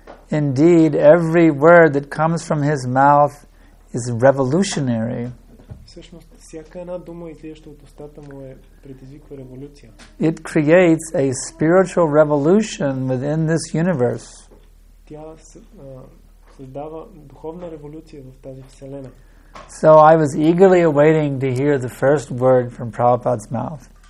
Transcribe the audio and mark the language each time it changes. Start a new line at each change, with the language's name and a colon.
English: Indeed, every word that comes from his mouth is revolutionary.
Bulgarian: Всъщност, всяка една дума, излизаща от устата му, предизвиква революция.
English: It creates a spiritual revolution within this universe.
Bulgarian: Тя създава духовна революция в тази вселена.
English: So I was eagerly awaiting to hear the first word from Prabhupada's mouth.